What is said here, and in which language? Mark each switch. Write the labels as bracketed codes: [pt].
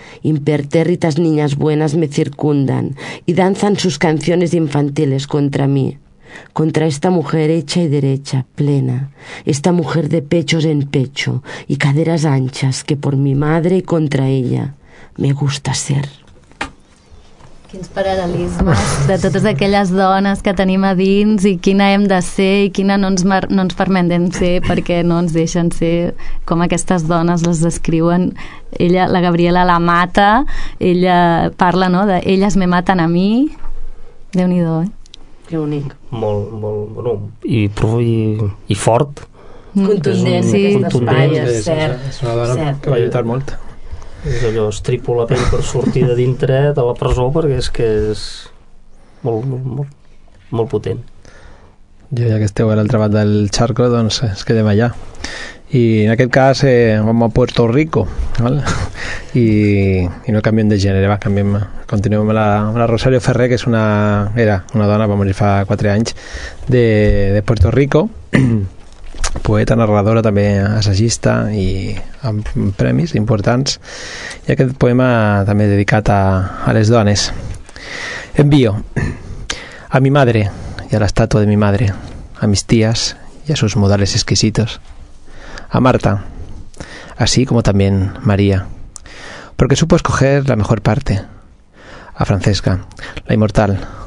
[es] Impertérritas niñas buenas me circundan y danzan sus canciones infantiles contra mí. Contra esta mujer hecha y derecha, plena, esta mujer de pechos en pecho y caderas anchas que por mi madre y contra ella me gusta ser. [ca] Quins paral·lelismes de totes aquelles dones que tenim a dins i quina hem de ser i quina no ens permetem ser perquè no ens deixen ser, com aquestes dones les descriuen. Ella, la Gabriela, la mata, ella parla, no?, de elles me maten a mi. Déu-n'hi-do, eh? Que bonic. Molt, molt, bueno, i fort. Contundent, sí. Contundent, sí. És una dona que va lluitar molt. És allò, estripo la pell per sortir de dintre de la presó, perquè és que és molt, molt, molt, molt potent. Jo, ja que esteu a l'altra banda del xarco, doncs ens quedem allà. I en aquest cas vam a Puerto Rico, ¿vale? I no canviem de gènere, va, canviem, continuem amb la Rosario Ferrer, que és era una dona, va morir fa 4 anys, de Puerto Rico, poeta, narradora, també assagista i amb premis importants, i aquest poema també dedicat a les dones. [es] Envio a mi madre y a la estatua de mi madre, a mis tías y a sus modales exquisitos, a Marta, así como también María, porque supo escoger la mejor parte, a Francesca, la inmortal,